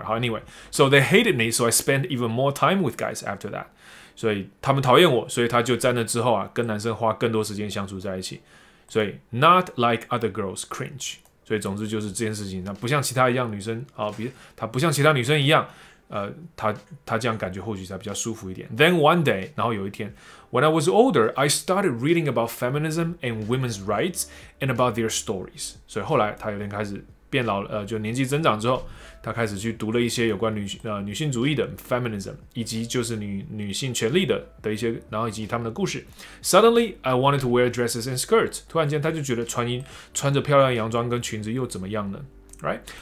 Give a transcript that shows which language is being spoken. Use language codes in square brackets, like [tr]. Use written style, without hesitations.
[en] 好 ，Anyway， so they hated me, so I spent even more time with guys after that. [zh] 所以他们讨厌我，所以他就在那之后啊，跟男生花更多时间相处在一起。所以 [en] not like other girls cringe. [zh] 所以总之就是这件事情，那不像其他一样女生啊，他不像其他女生一样，他这样感觉或许才比较舒服一点。 [en] Then one day， [zh] 然后有一天。 [en] When I was older, I started reading about feminism and women's rights and about their stories. [zh] 所以后来他有点开始变老了，就年纪增长之后，他开始去读了一些有关女性主义的 feminism， 以及就是女性权利的一些，然后以及他们的故事。 [en] Suddenly, I wanted to wear dresses and skirts. [zh] 突然间他就觉得穿着漂亮洋装跟裙子又怎么样呢？right?